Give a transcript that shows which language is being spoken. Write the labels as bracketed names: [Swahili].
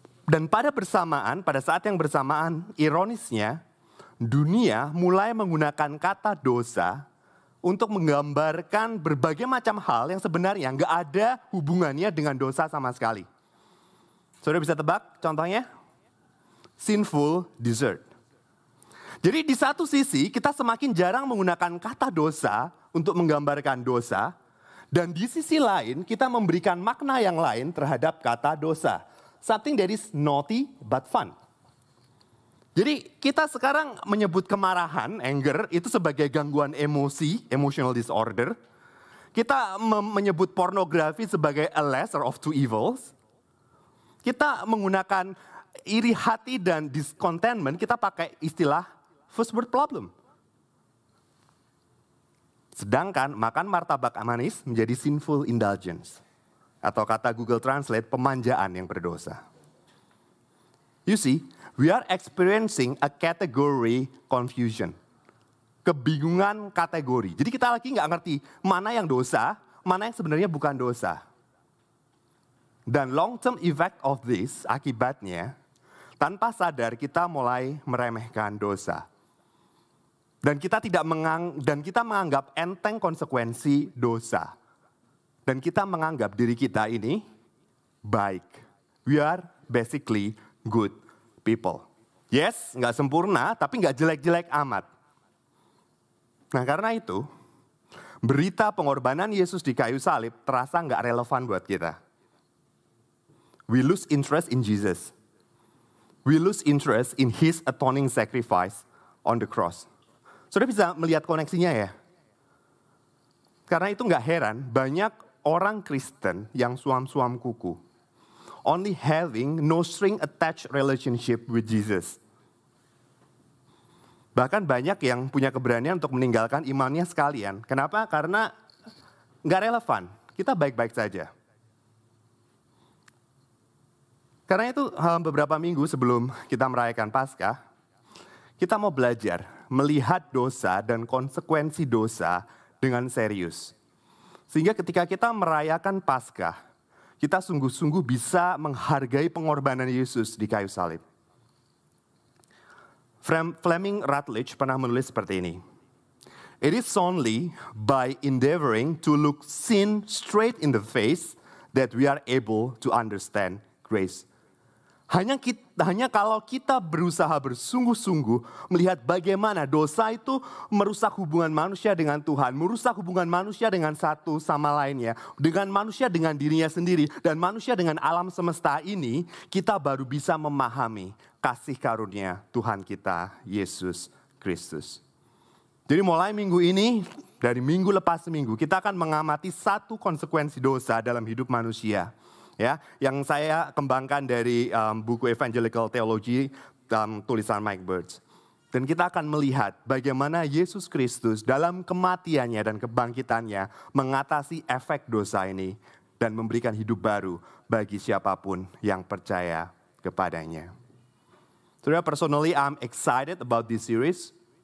[Indonesian] Dan pada bersamaan, pada saat yang bersamaan, ironisnya, dunia mulai menggunakan kata dosa untuk menggambarkan berbagai macam hal yang sebenarnya gak ada hubungannya dengan dosa sama sekali. Saudara bisa tebak contohnya? [English] Sinful dessert. [Indonesian] Jadi di satu sisi kita semakin jarang menggunakan kata dosa untuk menggambarkan dosa. Dan di sisi lain kita memberikan makna yang lain terhadap kata dosa. [English] Something that is naughty but fun. [Indonesian] Jadi kita sekarang menyebut kemarahan, anger, itu sebagai gangguan emosi, [English] emotional disorder. [Indonesian] Kita menyebut pornografi sebagai [English] a lesser of two evils. [Indonesian] Kita menggunakan iri hati dan discontentment, kita pakai istilah [English] first world problem. [Indonesian] Sedangkan makan martabak manis menjadi [English] sinful indulgence. [Indonesian] Atau kata Google Translate, pemanjaan yang berdosa. [English] You see, we are experiencing a category confusion. [Indonesian] Kebingungan kategori. Jadi kita lagi gak ngerti mana yang dosa, mana yang sebenarnya bukan dosa. Dan [English] long term effect of this, [Indonesian] akibatnya, tanpa sadar kita mulai meremehkan dosa. Dan kita menganggap enteng konsekuensi dosa. Dan kita menganggap diri kita ini baik. [English] We are basically good people. Yes, [Indonesian] gak sempurna, tapi gak jelek-jelek amat. Nah karena itu, berita pengorbanan Yesus di kayu salib terasa gak relevan buat kita. [English] We lose interest in Jesus. We lose interest in his atoning sacrifice on the cross. [Indonesian] Sudah bisa melihat koneksinya ya? Karena itu gak heran, banyak orang Kristen yang suam-suam kuku. [English] Only having no string attached relationship with Jesus. [Indonesian] Bahkan banyak yang punya keberanian untuk meninggalkan imannya sekalian. Kenapa? Karena gak relevan. Kita baik-baik saja. Karena itu beberapa minggu sebelum kita merayakan Paskah, kita mau belajar melihat dosa dan konsekuensi dosa dengan serius. Sehingga ketika kita merayakan Paskah, kita sungguh-sungguh bisa menghargai pengorbanan Yesus di kayu salib. Fleming Rutledge pernah menulis seperti ini. [English] It is only by endeavoring to look sin straight in the face that we are able to understand grace. [Indonesian] Hanya kalau kita berusaha bersungguh-sungguh melihat bagaimana dosa itu merusak hubungan manusia dengan Tuhan, merusak hubungan manusia dengan satu sama lainnya, dengan manusia dengan dirinya sendiri, dan manusia dengan alam semesta ini, kita baru bisa memahami kasih karunia Tuhan kita, Yesus Kristus. Jadi mulai minggu ini, dari minggu lepas minggu, kita akan mengamati satu konsekuensi dosa dalam hidup manusia. Ya, yang saya kembangkan dari buku Evangelical Theology tulisan Mike Birch. Dan kita akan melihat bagaimana Yesus Kristus dalam kematiannya dan kebangkitannya mengatasi efek dosa ini dan memberikan hidup baru bagi siapapun yang percaya kepadanya. [English] Saudara, personally I'm excited about this series.